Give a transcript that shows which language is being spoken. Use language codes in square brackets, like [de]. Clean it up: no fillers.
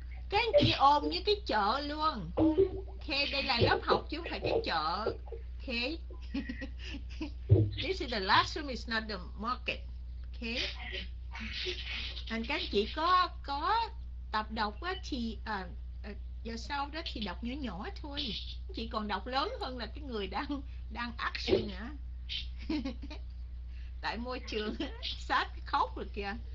[vi] Các anh chị ôm như cái chợ luôn. Ok, đây là lớp học chứ không phải cái chợ. [en] Ok. This is the classroom, it's not the market. Ok. [vi] Anh các anh chị có tập đọc á thì giờ sau đó thì đọc nhỏ nhỏ thôi. Chị còn đọc lớn hơn là cái người đang action á. Tại môi trường sát khóc rồi kìa.